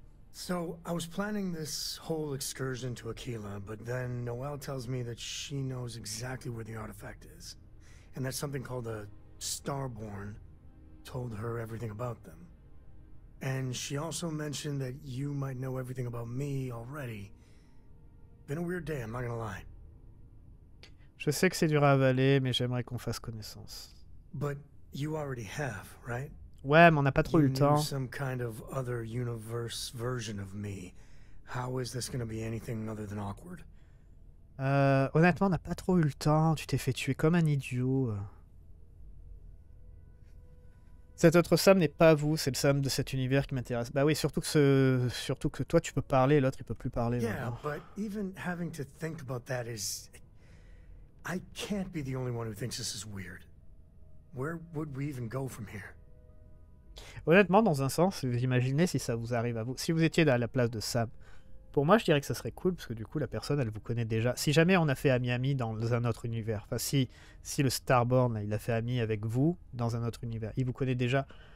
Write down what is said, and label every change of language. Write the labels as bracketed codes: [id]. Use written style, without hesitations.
[en] So, I was planning this whole excursion to Aquila, but then Noelle tells me that she knows exactly where the artifact is, and that something called a Starborn told her everything about them. And she also mentioned that you might know everything about me already. Been a weird day, I'm not gonna lie. [fr] Je sais que c'est dur à avaler, mais j'aimerais qu'on fasse connaissance. [en] But you already have, right? [fr] Ouais, mais on n'a pas trop you eu le temps. [en] Some kind of other universe version of me. How is this gonna be anything other than awkward? [fr] Honnêtement, on n'a pas trop eu le temps. Tu t'es fait tuer comme un idiot. Cet autre Sam n'est pas vous, c'est le Sam de cet univers qui m'intéresse. Bah oui, surtout que toi tu peux parler, l'autre il peut plus parler. [en] Yeah, but even having to think about that is, I can't be the only one who thinks this is weird. Where would we even go from here? [fr] Honnêtement, dans un sens, vous imaginez si ça vous arrive à vous, si vous étiez à la place de Sam. Pour moi, je dirais que ça serait cool parce que du coup, la personne, elle vous connaît déjà. Si jamais on a fait ami dans un autre univers, enfin si le Starborn, là, il a fait ami avec vous dans un autre univers, il vous connaît déjà.